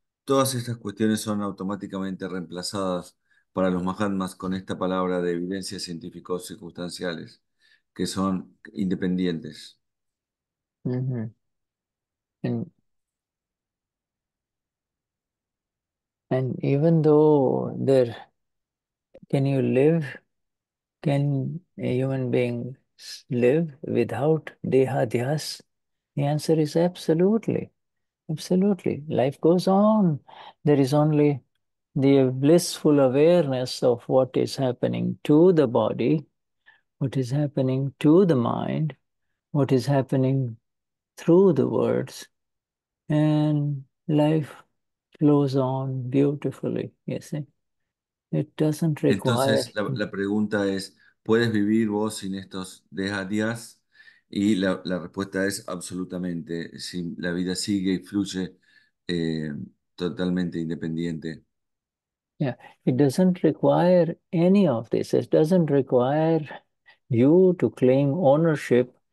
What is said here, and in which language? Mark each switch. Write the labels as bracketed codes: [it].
[es] Todas estas cuestiones son automáticamente reemplazadas para los mahatmas con esta palabra de evidencias científicos circunstanciales, que son independientes. [en] And even though there, can you live, can a human being live without Dehadhyas? The answer is absolutely, absolutely. Life goes on. There is only the blissful awareness of what is happening to the body, what is happening to the mind, what is happening through the words, and life flows on beautifully, you see. It doesn't [es] Entonces [en] require. [es] la pregunta es, ¿puedes vivir vos sin estos días? Y la respuesta es absolutamente, si la vida sigue y fluye totalmente independiente. [en] It doesn't require any of this. It doesn't require you to claim ownership.